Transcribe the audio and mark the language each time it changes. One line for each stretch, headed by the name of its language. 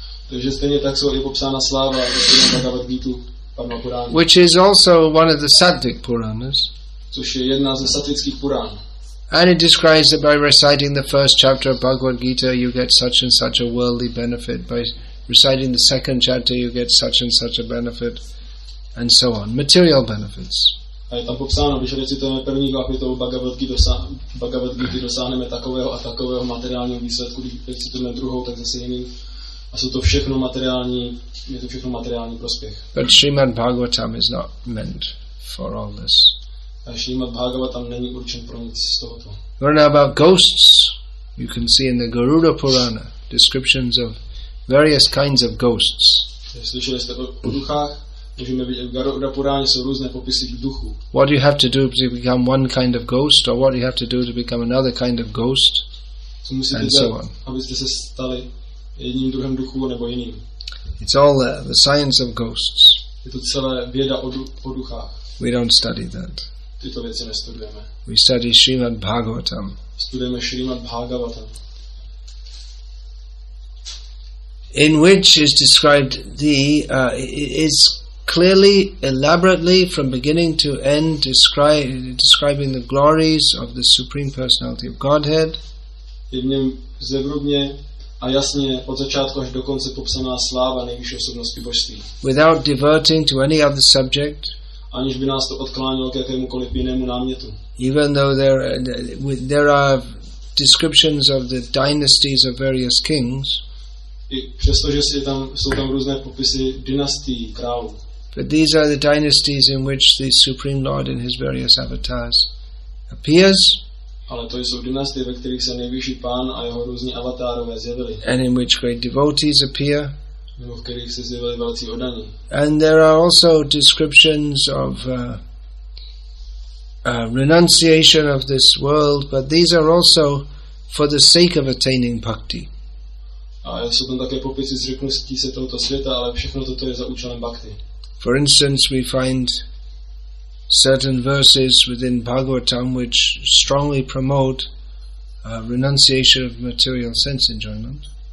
Czech: Takže stejně tak jsou i popsána sláva Bhagavad Gita Padma Purana.
English: Which is also one of the Sattvic Puranas.
Czech: Což je jedna ze sattvických purán.
English: And it describes that by reciting the first chapter of Bhagavad Gita you get such and such a worldly benefit. By reciting the second chapter you get such and such a benefit. And so on. Material benefits.
Czech: A je tam popsáno, když recitujeme první kapitolu Bhagavad Gita, dosáhneme takového a takového materiálního výsledku. Když recitujeme druhou, tak zase jiný. A jsou to všechno materiální, je to všechno materiální prospěch.
English: But Srimad Bhagavatam is not meant for all this.
Czech: Srimad Bhagavatam není určen pro nic z tohoto.
English: Learn about ghosts. You can see in the Garuda Purana descriptions of various kinds of ghosts.
Czech: Slyšeli jste o duchách? Můžeme vidět, v Garuda Puráně jsou různé popisy duchů.
English: What do you have to do to become one kind of ghost, or what do you have to do to become another kind of ghost, and so on.
Czech: Abyste se stali jedním druhem duchů nebo jiným.
English: It's all there, the science of ghosts.
Czech: Je to celé věda o duchách.
English: We don't study that.
Czech: Tyto věci nestudujeme.
English: We study Srimad Bhagavatam.
Czech: Studujeme Srimad Bhagavatam.
English: In which is described the is clearly, elaborately, from beginning to end, describing the glories of the Supreme Personality of Godhead.
Czech: V něm zevrubně a jasně od začátku až do konce popsaná sláva nejvyšší osobnosti božství.
English: Without diverting to any other subject.
Czech: Aniž by nás to odklánilo k jakémukoliv jinému námětu.
English: Even though there are descriptions of the dynasties of various kings.
Czech: I přestože jsou tam různé popisy dynastií králů.
English: But these are the dynasties in which the Supreme Lord in his various avatars appears.
Czech: Ale to jsou dynastie, ve kterých se nejvyšší pán a jeho různí avatárové zjevili.
English: And in which great devotees appear.
Czech: Nebo v kterých se zjevili velcí oddaní.
English: And there are also descriptions of renunciation of this world, but these are also for the sake of attaining bhakti.
Czech: A jsou tam také popisy zřeknutí se tohoto světa, ale všechno toto je za účelem bhakti.
English: For instance, we find certain verses within Bhagavatam which strongly promote renunciation of material sense enjoyment.